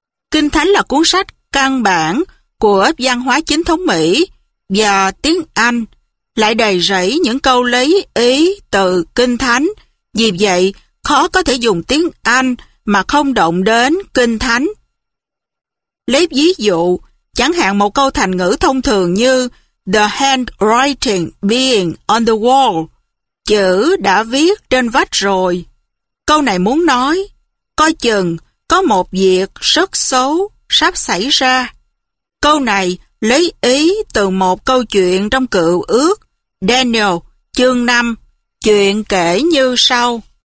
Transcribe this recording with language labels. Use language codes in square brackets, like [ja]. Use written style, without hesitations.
[vi] Kinh Thánh là cuốn sách căn bản của văn hóa chính thống Mỹ, và tiếng Anh lại đầy rẫy những câu lấy ý từ Kinh Thánh. Vì vậy, khó có thể dùng tiếng Anh mà không động đến Kinh Thánh. Lấy ví dụ, chẳng hạn một câu thành ngữ thông thường như [en] The handwriting being on the wall. [vi] Chữ đã viết trên vách rồi. Câu này muốn nói, coi chừng có một việc rất xấu sắp xảy ra. Câu này lấy ý từ một câu chuyện trong Cựu Ước, Daniel, chương 5, chuyện kể như sau.